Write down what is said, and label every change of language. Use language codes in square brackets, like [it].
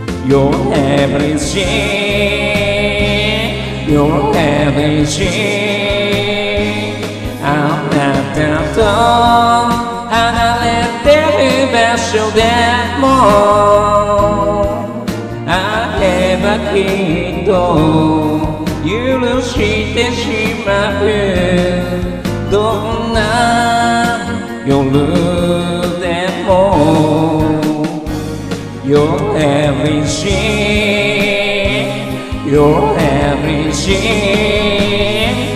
[en] You're everything, you're everything. [ja] あなたと離れてる場所でも、会えばきっと許してしまう。どんな夜でも、 [en] You're everything, you're everything.